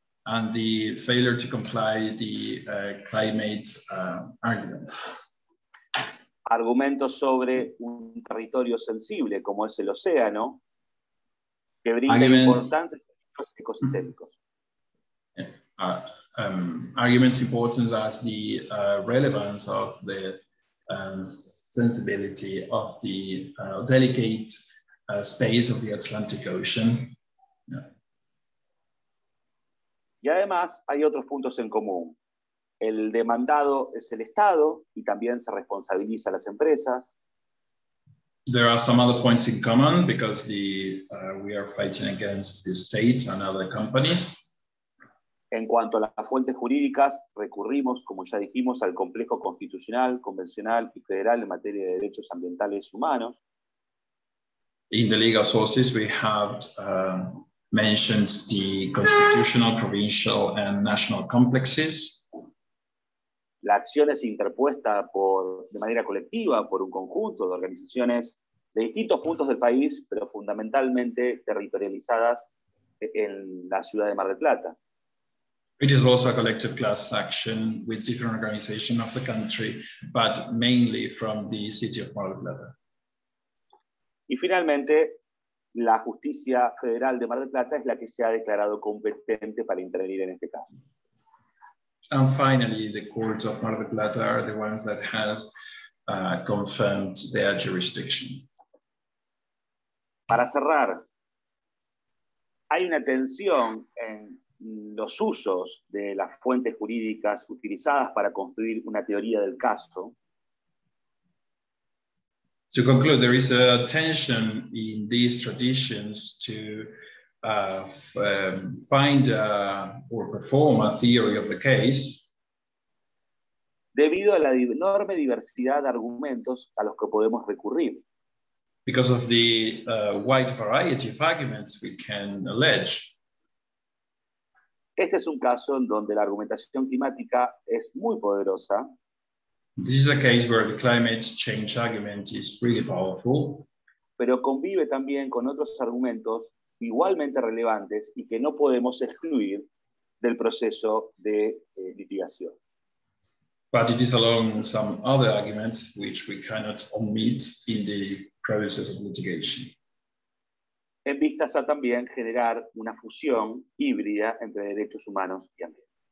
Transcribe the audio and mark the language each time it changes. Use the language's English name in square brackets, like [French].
[English] And the failure to comply the climate argument. [Spanish] Argumentos sobre un territorio sensible como es el océano que brinda importantes servicios ecosistémicos. [English] Arguments important as the relevance of the sensibility of the delicate space of the Atlantic Ocean. [Spanish] Y además hay otros puntos en común. El demandado es el Estado y también se responsabiliza a las empresas. [English] There are some other points in common because the we are fighting against the state and other companies. [Spanish] En cuanto a las fuentes jurídicas, recurrimos, como ya dijimos, al complejo constitucional, convencional y federal en materia de derechos ambientales y humanos. [English] In the legal sources we have mentioned the constitutional, provincial, and national complexes. [Spanish] La acción es interpuesta por, de manera colectiva por un conjunto de organizaciones de distintos puntos del país, pero fundamentalmente territorializadas en la ciudad de Mar del Plata. [English] It is also a collective class action with different organizations of the country, but mainly from the city of Mar del Plata. [Spanish] Y finalmente, la Justicia Federal de Mar del Plata es la que se ha declarado competente para intervenir en este caso. [English] And finally, the courts of Mar del Plata are the ones that has confirmed their jurisdiction. [Spanish] Para cerrar, hay una tensión en los usos de las fuentes jurídicas utilizadas para construir una teoría del caso. [English] To conclude, there is a tension in these traditions to find or perform a theory of the case. [Spanish] Debido a la enorme diversidad de argumentos a los que podemos recurrir. [English] Because of the wide variety of arguments we can allege. [Spanish] Este es un caso en donde la argumentación climática es muy poderosa. [English] This is a case where the climate change argument is really powerful. [Spanish] Pero convive también con otros argumentos igualmente relevantes y que no podemos excluir del proceso de litigación. [English] But it is along some other arguments which we cannot omit in the process of litigation. [Spanish] En vistas a también generar una fusión híbrida entre derechos humanos y ambiente.